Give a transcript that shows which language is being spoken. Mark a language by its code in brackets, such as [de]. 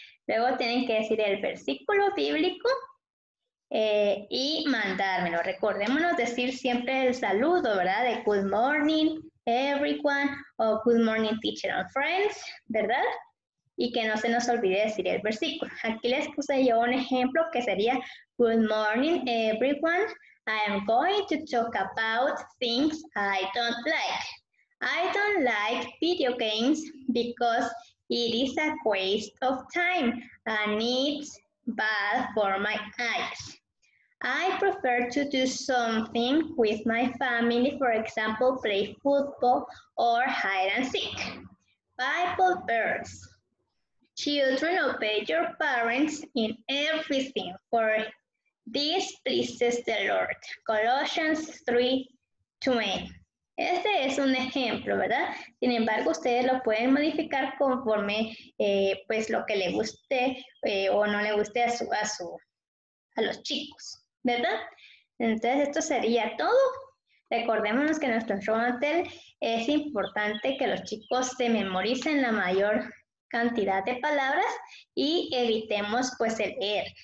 [es] Luego tienen que decir el versículo bíblico y mandármelo. Recordémonos decir siempre el saludo, ¿verdad? De [en] good morning, everyone, [es] o [en] good morning, teacher and friends, [es] ¿verdad? Y que no se nos olvide decir el versículo. Aquí les puse yo un ejemplo que sería [en] good morning, everyone. I am going to talk about things I don't like. I don't like video games because it is a waste of time and it's bad for my eyes. I prefer to do something with my family, for example, play football or hide and seek. Bible verse. Children, obey your parents in everything for this pleases the Lord. [es] Colossians 3:20. Este es un ejemplo, ¿verdad? Sin embargo, ustedes lo pueden modificar conforme pues lo que le guste o no le guste a los chicos, ¿verdad? Entonces, esto sería todo. Recordémonos que nuestro [en] show and tell [es] es importante que los chicos se memoricen la mayor cantidad de palabras y evitemos pues el leer.